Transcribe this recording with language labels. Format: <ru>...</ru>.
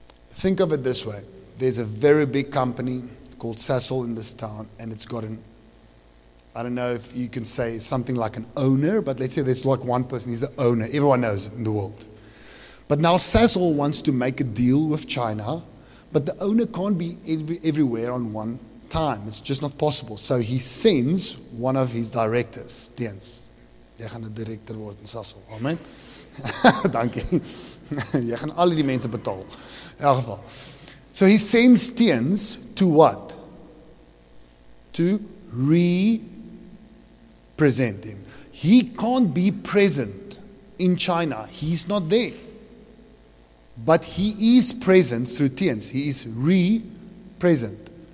<en>Think of it this way. There's a very big company called Sasol in this town, and it's got an, I don't know if you can say something like an owner, but let's say there's like one person, he's the owner. Everyone knows it in the world. But now Sasol wants to make a deal with China, but the owner can't be everywhere on one time. It's just not possible. So he sends one of his directors, Tiens.</en> <af>Jy gaan 'n direkteur word in Sasol. Amen. Dankie. Jy gaan al die mense betaal. In elk geval.</af> <en>So he sends Tiens to what? To represent him. He can't be present in China. He's not there. But he is present through Tiens. He is re-present.</en>